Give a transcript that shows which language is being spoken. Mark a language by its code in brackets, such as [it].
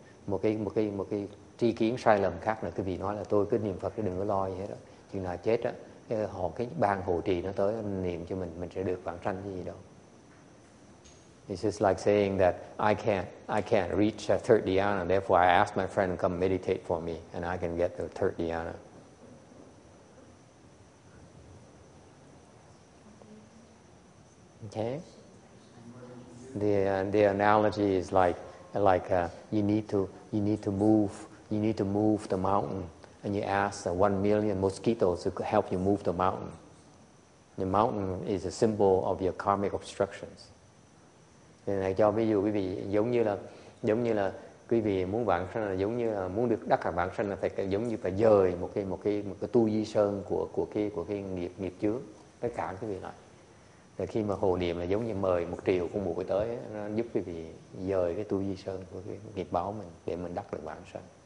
[vi] Okay, một cái tri kiến sai lầm khác nữa, cái vị nói là tôi cứ niệm Phật chứ đừng có lo gì hết á, chừng nào chết á họ cái ban hộ trì nó tới niệm cho mình sẽ được vãng sanh gì đâu. [en] It's just like saying that I can't reach a third dhyana, therefore I ask my friend to come meditate for me and I can get the third dhyana. Okay, the analogy is like you need to move the mountain and you ask 1 million mosquitoes to help you move the mountain. The mountain is a symbol of your karmic obstructions. [vi] Này cho ví dụ quý vị giống như là quý vị muốn vãng sanh là giống như là muốn được đắc hạ vãng sanh là phải giống như phải dời một cái tu di sơn của cái nghiệp chướng tất cả quý vị lại. Thì khi mà hồ niệm là giống như mời 1 triệu con muỗi tới, nó giúp quý vị dời cái tu di sơn của cái nghiệp báo mình để mình đắc được vãng sanh.